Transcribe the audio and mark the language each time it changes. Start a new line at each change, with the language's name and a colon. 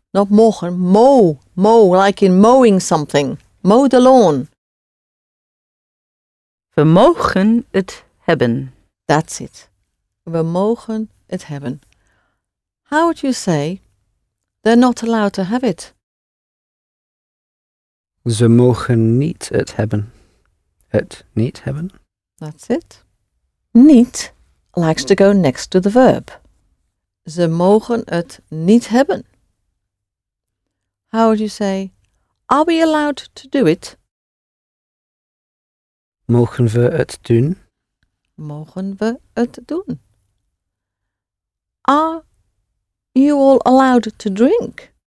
English: Not mogen. Mow. Mow. Like in mowing something. Mow the lawn.
Dutch: We mogen het hebben.
English: That's it.
Dutch: We mogen het hebben.
English: How would you say they're not allowed to have it?
Dutch: Ze mogen niet het hebben. Het niet hebben.
English: That's it. Niet likes to go next to the verb.
Dutch: Ze mogen het niet hebben.
English: How would you say, are we allowed to do it?
Dutch: Mogen we het doen? Mogen we het doen?
English: Are you all allowed to drink?